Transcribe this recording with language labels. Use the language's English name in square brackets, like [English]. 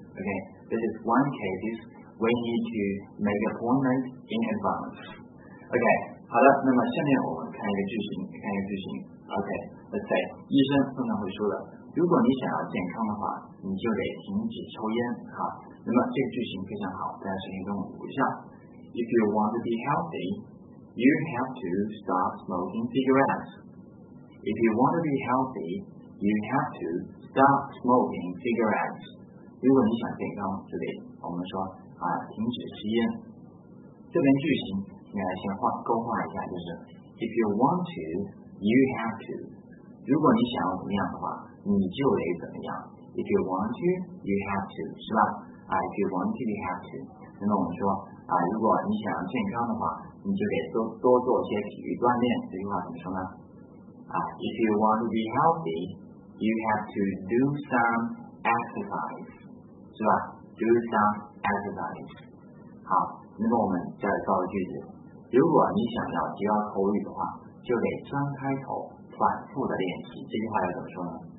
[English] OK， this is one case we need to make appointment in advance。 [Chinese] OK， 好的，那么下面我们看一个句型。 OK。 [English] Let's say， [Chinese] 医生通常会说的，如果你想要健康的话，你就得停止抽烟。好，那么这个句型非常好，大家首先跟我读一下。 [English] If you want to be healthy, you have to stop smoking cigarettes. If you want to be healthy, you have to stop smoking cigarettes. [Chinese] 如果你想健康，这里我们说啊，停止吸烟。这边句型你来先勾画一下，就是 [English] If you want to, you have to。 [Chinese] 如果你想要怎么样的话，你就得怎么样。 [English] If you want to, you have to， [Chinese] 是吧？ [English] If you want to, you have to。 [Chinese] 那么我们说啊，如果你想要健康的话，你就得多做些体育锻炼。这句话怎么说呢？ [English] If you want to be healthy, you have to do some exercise， [Chinese] 是吧 [English] ？Do some exercise。 [Chinese] 好，那么我们再造个句子。如果你想要提高口语的话，就得张开口。反复的练习，这句话要怎么说呢？